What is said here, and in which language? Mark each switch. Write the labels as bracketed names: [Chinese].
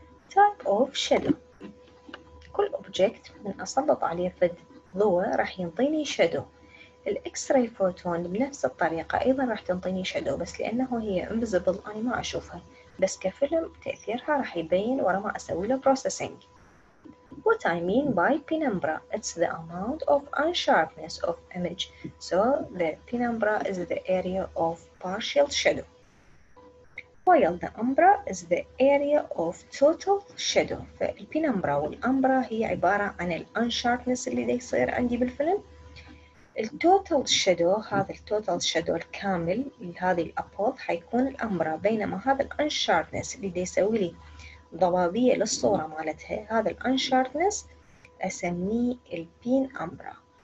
[English] Type of shadow، [Arabic] كل object من أسلط عليه فد ضوء راح ينطيني shadow. الإكس-راي فوتون بنفس الطريقة أيضاً راح تنطيني شادو، بس لأنه هي إنفيزيبل أنا ما أشوفها، بس كفيلم تأثيرها راح يبين ورا ما أسوي له بروسيسنج. [English] What I mean by penumbra؟ It's the amount of unsharpness of image. So the penumbra is the area of partial shadow. While the umbra is the area of total shadow. [Arabic] فالpenumbra والأمbra هي عبارة عن الunsharpness اللي دي يصير عندي بالفيلم. التوتال شادو هذا التوتال شادو الكامل لهذه الأبوض حيكون الأمبرا، بينما هذا الأنشارتنس اللي دي يسوي لي ضبابية للصورة مالتها هذا الأنشارتنس أسميه البين أمبرا.